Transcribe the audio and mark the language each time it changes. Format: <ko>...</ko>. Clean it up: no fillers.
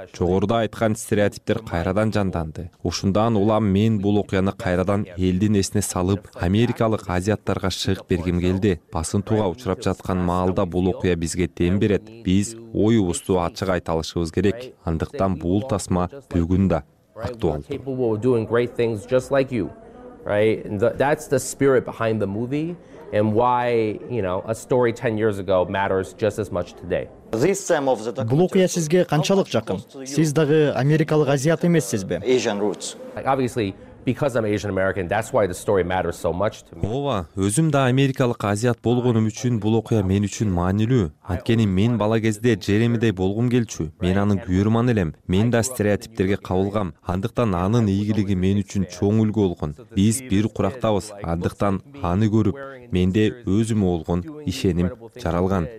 <ky>Жогоруда айткан стереотиптер кайрадан жанданды. Ушундан улам мен бул окуяны кайрадан элдин эсине салып, америкалык азияттарга чыгып бергим келди. Басын тууга учурап жаткан маалда бул окуя бизге дем берет. Биз оюбузду ачык айта алышыбыз керек. Андыктан бул тасма бүгүн да актуалдуу.</ky> <en>Right, and that's the spirit behind the movie and why, you know, a story 10 years ago matters just as much today.</en> <ky>Бул окуя сизге канчалык жакын? Сиз дагы америкалык азиат эмессизби?</ky> <en>Asian roots. Obviously, because I'm Asian American, that's why the story matters so much to me.</en> <ky>Ооба, өзүм да америкалык азиат болгонум үчүн бул окуя мен үчүн маанилүү. Анткени мен бала кезде Джеремидей болгум келчү. Мен анын күйөрман элем. Мен да стереотиптерге кабылгам. Андыктан анын ийгилиги мен үчүн чоң үлгү болгон. Биз бир курактабыз. Андыктан аны көрүп менде өзүмө болгон ишеним жаралган.</ky>